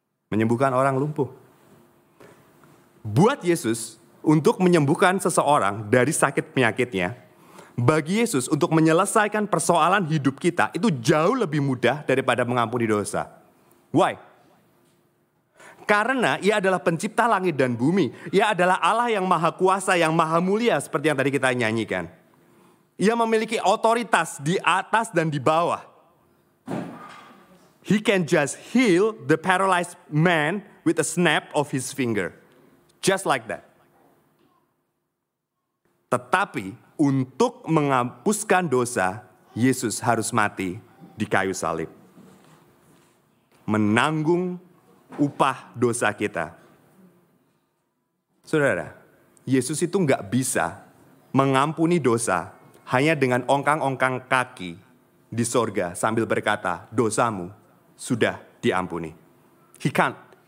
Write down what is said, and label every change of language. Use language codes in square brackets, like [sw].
[id] Menyembuhkan orang lumpuh. Buat Yesus, untuk menyembuhkan seseorang dari sakit penyakitnya, bagi Yesus untuk menyelesaikan persoalan hidup kita, itu jauh lebih mudah daripada mengampuni dosa. [en] Why? [id] Karena ia adalah pencipta langit dan bumi. Ia adalah Allah yang maha kuasa, yang maha mulia seperti yang tadi kita nyanyikan. Ia memiliki otoritas di atas dan di bawah. [en] He can just heal the paralyzed man with a snap of his finger. Just like that. [id] Tetapi untuk menghapuskan dosa, Yesus harus mati di kayu salib. Menanggung upah dosa kita. Saudara, Yesus itu gak bisa mengampuni dosa hanya dengan ongkang-ongkang kaki di sorga sambil berkata, dosamu sudah diampuni. [en] He can't.